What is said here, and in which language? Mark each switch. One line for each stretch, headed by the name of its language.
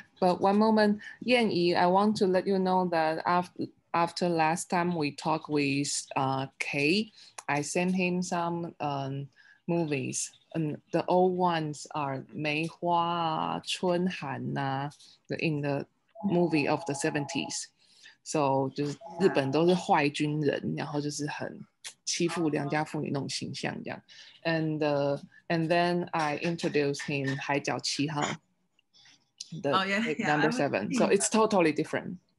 English: But one moment, Yan Yi, I want to let you know that after last time we talked with Kay, I sent him some movies. And the old ones are Mei Hua Chun Han, in the movie of the 70s.
Chinese: So 就是日本都是坏军人, 然后就是很欺负良家妇女那种形象这样.
English: And then I introduced him 海角七号, the number seven. So it's totally different.